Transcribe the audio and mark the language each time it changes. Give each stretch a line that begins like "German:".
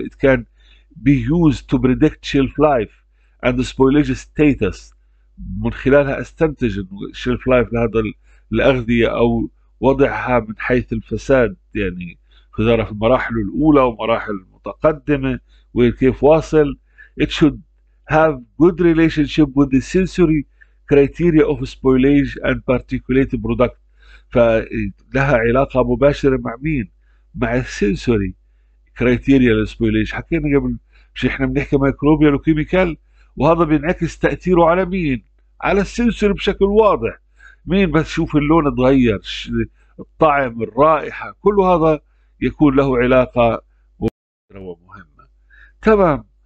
English: it can be used to predict shelf life and the spoilage status،
Arabic: من خلالها استنتج shelf life لهذا الأغذية أو وضعها من حيث الفساد، يعني في ظرف المراحل الأولى ومراحل المتقدمة وكيف واصل.
English: it should have good relationship with the sensory criteria of spoilage and particulate product،
Arabic: فلها علاقة مباشرة مع مين؟ مع السنسوري كريتيريا للسبويليج. حكينا قبل مش احنا بنحكي مايكروبيال وكيميكال، وهذا بينعكس تاثيره على مين؟ على السنسور بشكل واضح. مين بس شوف اللون اتغير، الطعم، الرائحه، كل هذا يكون له علاقه مباشره ومهمه. تمام.